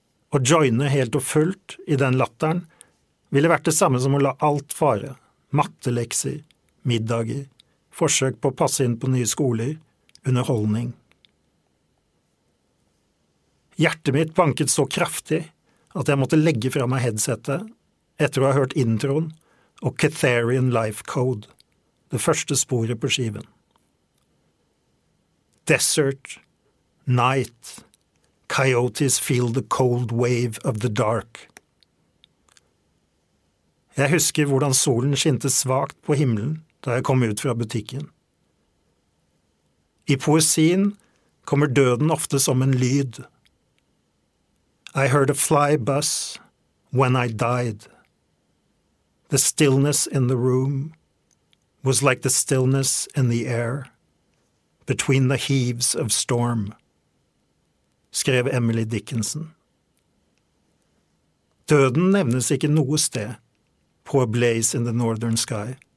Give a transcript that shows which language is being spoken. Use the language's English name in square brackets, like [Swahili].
[Norwegian] Å joine helt og fullt i den latteren ville vært det samme som å la alt fare, mattelekser, middager, forsøk på å passe inn på nye skoler, underholdning. Hjertet mitt banket så kraftig at jeg måtte legge fra meg headsetet etter å ha hørt introen og Catharian Life Code, det første sporet på skiven. [English] Desert, night, coyotes feel the cold wave of the dark. [Norwegian] Jeg husker hvordan solen skinte svagt på himmelen da jeg kom ut fra butikken. I poesien kommer døden ofte som en lyd. [English] I heard a fly buzz when I died. The stillness in the room was like the stillness in the air between the heaves of storm, [Norwegian] skrev [English] Emily Dickinson. [Norwegian] Døden nevnes ikke noe sted på A Blaze in the Northern Sky.